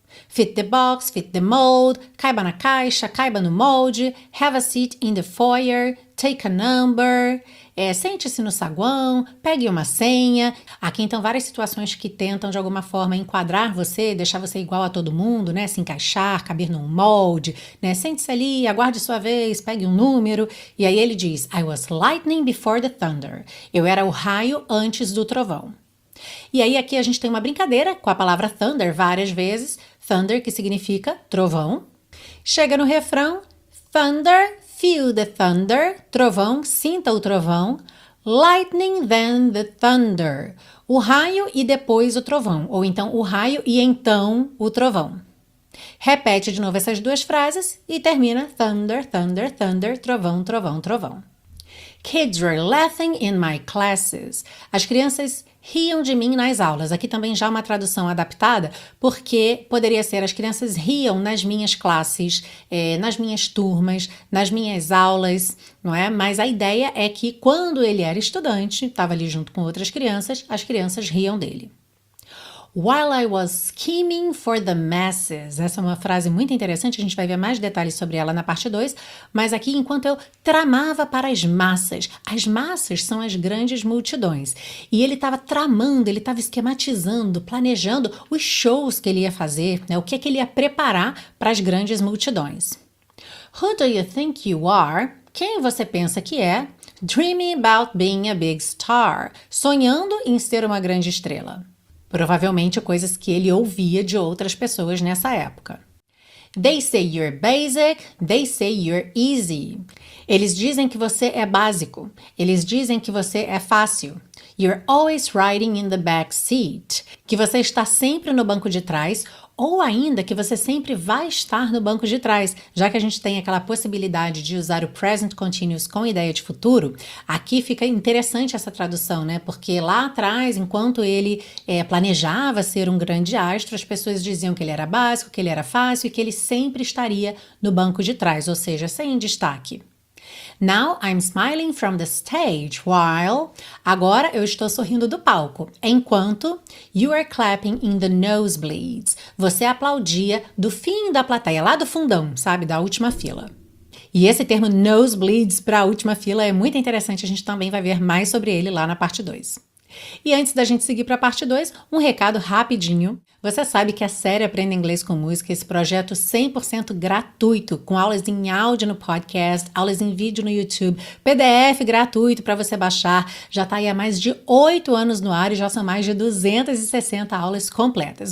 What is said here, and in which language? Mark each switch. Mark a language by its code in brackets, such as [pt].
[en] Fit the box, fit the mold, [pt] caiba na caixa, caiba no molde, [en] have a seat in the foyer, take a number, [pt] sente-se no saguão, pegue uma senha. Aqui então várias situações que tentam de alguma forma enquadrar você, deixar você igual a todo mundo, né? Se encaixar, caber num molde, né? Sente-se ali, aguarde sua vez, pegue um número. E aí ele diz, [en] I was lightning before the thunder. [pt] Eu era o raio antes do trovão. E aí aqui a gente tem uma brincadeira com a palavra thunder várias vezes. Thunder, que significa trovão. Chega no refrão, [en] thunder, feel the thunder, [pt] trovão, sinta o trovão, [en] lightning then the thunder, [pt] o raio e depois o trovão, ou então o raio e então o trovão. Repete de novo essas duas frases e termina thunder, thunder, thunder, trovão, trovão, trovão. [en] Kids were laughing in my classes. [pt] As crianças riam de mim nas aulas. Aqui também já uma tradução adaptada, porque poderia ser as crianças riam nas minhas classes, nas minhas turmas, nas minhas aulas, não é? Mas a ideia é que quando ele era estudante, estava ali junto com outras crianças, as crianças riam dele. [en] While I was scheming for the masses. [pt] Essa é uma frase muito interessante, a gente vai ver mais detalhes sobre ela na parte 2, mas aqui enquanto eu tramava para as massas são as grandes multidões, e ele estava tramando, ele estava esquematizando, planejando os shows que ele ia fazer, né, o que é que ele ia preparar para as grandes multidões. [en] Who do you think you are? [pt] Quem você pensa que é? [en] Dreaming about being a big star. [pt] Sonhando em ser uma grande estrela. Provavelmente coisas que ele ouvia de outras pessoas nessa época. [en] They say you're basic, they say you're easy. [pt] Eles dizem que você é básico, eles dizem que você é fácil. [en] You're always riding in the back seat. [pt] Que você está sempre no banco de trás, ou ainda que você sempre vai estar no banco de trás, já que a gente tem aquela possibilidade de usar o present continuous com ideia de futuro. Aqui fica interessante essa tradução, né? Porque lá atrás, enquanto ele planejava ser um grande astro, as pessoas diziam que ele era básico, que ele era fácil e que ele sempre estaria no banco de trás, ou seja, sem destaque. [en] Now I'm smiling from the stage, while... [pt] Agora eu estou sorrindo do palco, enquanto... [en] You are clapping in the nosebleeds. [pt] Você aplaudia do fim da plateia, lá do fundão, sabe? Da última fila. E esse termo nosebleeds para a última fila é muito interessante. A gente também vai ver mais sobre ele lá na parte 2. E antes da gente seguir para a parte 2, um recado rapidinho. Você sabe que a série Aprenda Inglês com Música, esse projeto 100% gratuito, com aulas em áudio no podcast, aulas em vídeo no YouTube, PDF gratuito para você baixar, já está aí há mais de 8 anos no ar e já são mais de 260 aulas completas.